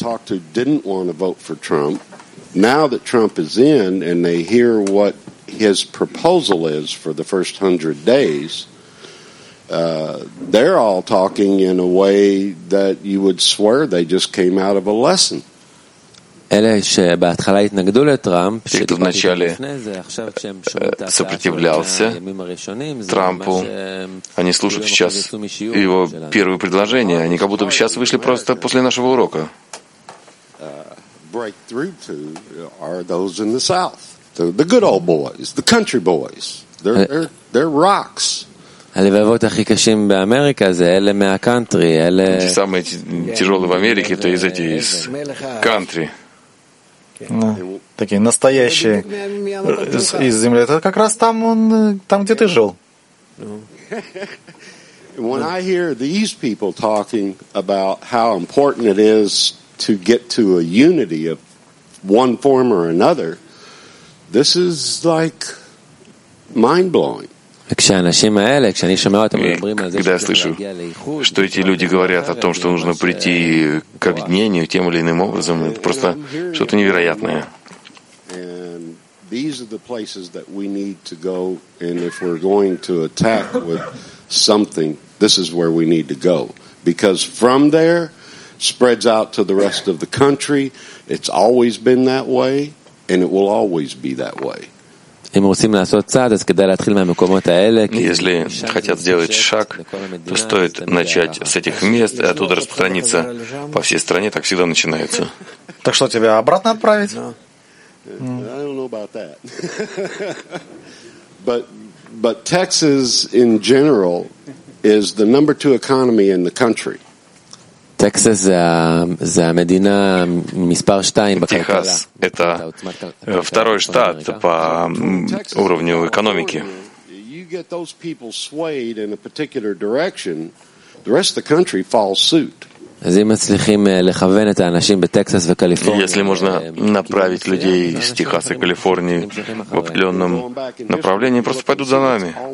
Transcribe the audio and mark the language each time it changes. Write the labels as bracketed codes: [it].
[en] Now that Trump is in and they hear what his proposal is for the first 100 days, they're all talking in a way that you would swear they just came out of a lesson. [he] אלה שבהתחלה התנגדו לטראמפ, שדיברתי לפני זה, עכשיו כשהם שומעים את ההצעה של הימים הראשונים, טראמפו, [ru] они слушают сейчас его первые предложения, они как будто бы сейчас вышли просто после нашего урока. [en] Breakthrough to are those in the South, the good old boys, the country boys. They're rocks. [he] הלבבות הכי קשים באמריקה זה אלה מהקאנטרי, אלה. [ru] Самые тяжелые в Америке это из этих country. Такие настоящие из земли. Это как раз там он, там где ты жил. [en] When I hear these people talking about how important it is to get to a unity of one form or another, this is like mind-blowing. [ru] Когда я слышу, что эти люди говорят о том, что нужно прийти к объединению тем или иным образом, это просто что-то невероятное. [en] And these are the places that we need to go, and if we're going to attack with something, this is where we need to go. Because from there, spreads out to the rest of the country. It's always been that way, and it will always be that way. [ru] Если хотят сделать шаг, то стоит начать с этих мест и оттуда распространиться по всей стране. Так всегда начинается. Так что тебя обратно отправить? [en] I don't know about that. But Texas in general is the number two economy in the country. [he] Texas זה המדינה מספר שתיים בכלכלה. [ru] Техас — это второй штат по уровню экономики. [en] You get those people swayed in a particular direction, the rest of the country falls suit. [he] אז אם מצליחים לכוון את האנשים בטקסס וקליפורניה, [ru] если можно направить людей из Техаса и Калифорнии в определенном направлении, просто пойдут за нами.